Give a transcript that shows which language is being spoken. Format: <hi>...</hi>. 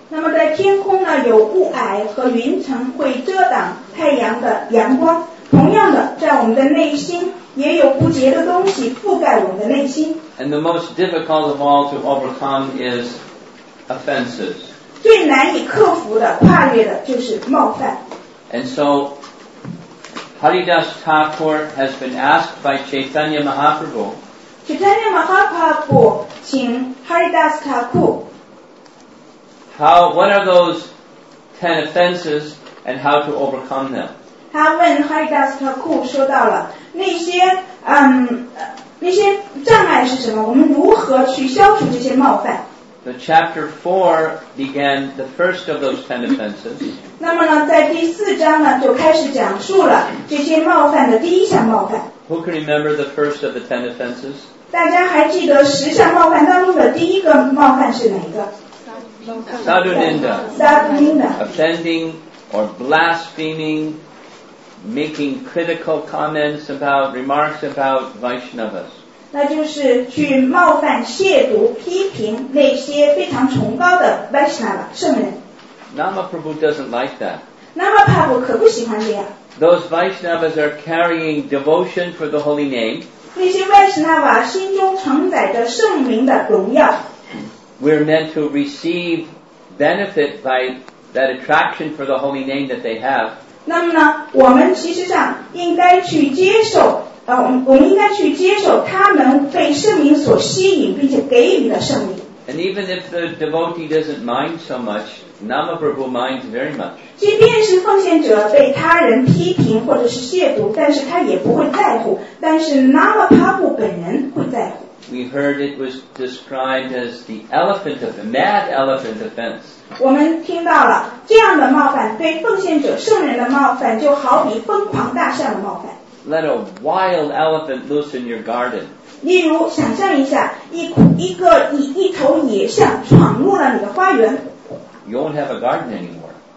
<zh>那么在天空呢有雾霭和云层会遮挡太阳的阳光，同样的在我们的内心也有不洁的东西覆盖我们的内心。</zh> <en>And the most difficult of all to overcome is offenses.</en> <zh>最难以克服的跨越的就是冒犯。</zh> <en>And so Haridas Thakur has been asked by Chaitanya Mahaprabhu.</en> <zh>Chaitanya Mahaprabhu 请 Haridas Thakur.</zh> <en>How, what are those 10 offenses and how to overcome them?</en> <zh>他问 Haridas Thakur 说到了那些障碍是什么，我们如何去消除这些冒犯。</zh> <en>The chapter 4 began the first of those 10 offenses.</en> <zh>那么呢在第四章呢就开始讲述了这些冒犯的第一项冒犯。</zh> <en>Who can remember the first of the 10 offenses?</en> <zh>大家还记得十项冒犯当中的第一个冒犯是哪一个？</zh> <sa>Sadudinda. Sadudinda.</sa> <en>Offending or blaspheming, making critical comments about, remarks about Vaishnavas.</en> <zh>那就是去冒犯、亵渎、批评那些非常崇高的 Vaishnava 圣人。</zh> <en>Namaprabhu doesn't like that.</en> <zh>Namaprabhu 可不喜欢这样。</zh> <en>Those Vaishnavas are carrying devotion for the Holy Name.</en> <zh>那些 Vaishnava 心中承载着圣名的荣耀。</zh> <en>We're meant to receive benefit by that attraction for the Holy Name that they have.</en> <zh>那么呢，我们其实上应该去接受。我们应该去接受他们被圣名所吸引并且给予的圣名。</zh> <en>And even if the devotee doesn't mind so much, Namaprabhu minds very much.</en> <zh>即便是奉献者被他人批评或者是亵渎，但是他也不会在乎，但是 Namaprabhu 本人会在乎。</zh> <en>We heard it was described as the elephant of the mad elephant offense.</en> <zh>我们听到了这样的冒犯，对奉献者圣人的冒犯就好比疯狂大象的冒犯。</zh> <en>Let a wild elephant loose in your garden.</en> <zh>例如想象一下一头野象闯入了你的花园。</zh> <en>You won't have a garden anymore.</en>